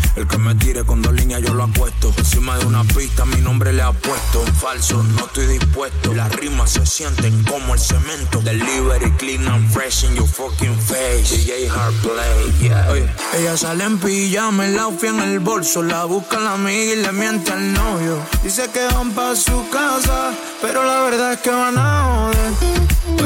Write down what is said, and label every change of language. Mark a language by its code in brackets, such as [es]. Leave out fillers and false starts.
[es] El que me tire con dos líneas, yo lo apuesto. Encima de una pista, mi nombre le apuesto. Falso, no estoy dispuesto. Las rimas se sienten como el cemento. [en] Delivery clean and fresh in your fucking face. DJ Hardplay, yeah. Oye. [es] Ella sale en pijama, el outfit en el bolso. La busca la amiga y le miente al novio. Dice que van pa' su casa, pero la verdad es que van a joder.